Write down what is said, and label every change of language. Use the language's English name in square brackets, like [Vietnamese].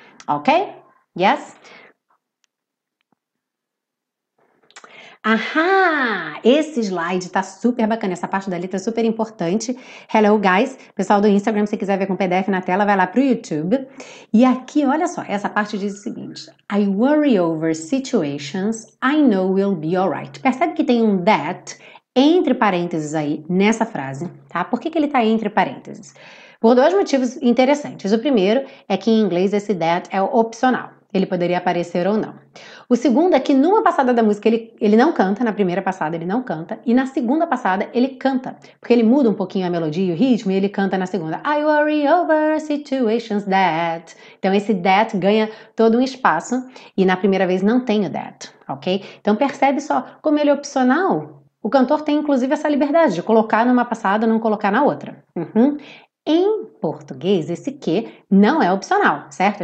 [Portuguese] Ok? Yes? Ahá! Esse slide tá super bacana, essa parte da letra é super importante. [English] Hello, guys! [Portuguese] Pessoal do Instagram, se quiser ver com PDF na tela, vai lá pro YouTube. E aqui, olha só, essa parte diz o seguinte. [English] I worry over situations I know will be alright. [Portuguese] Percebe que tem um that entre parênteses aí nessa frase, tá? Por que que ele tá entre parênteses? Por dois motivos interessantes. O primeiro é que em inglês esse that é opcional. Ele poderia aparecer ou não. O segundo é que numa passada da música ele não canta, na primeira passada ele não canta, e na segunda passada ele canta, porque ele muda um pouquinho a melodia e o ritmo, e ele canta na segunda. [English] I worry over situations that. [Portuguese] Então esse that ganha todo um espaço, e na primeira vez não tem o that, ok? Então percebe só como ele é opcional. O cantor tem inclusive essa liberdade de colocar numa passada, não colocar na outra. Uhum. Em português, esse que não é opcional, certo?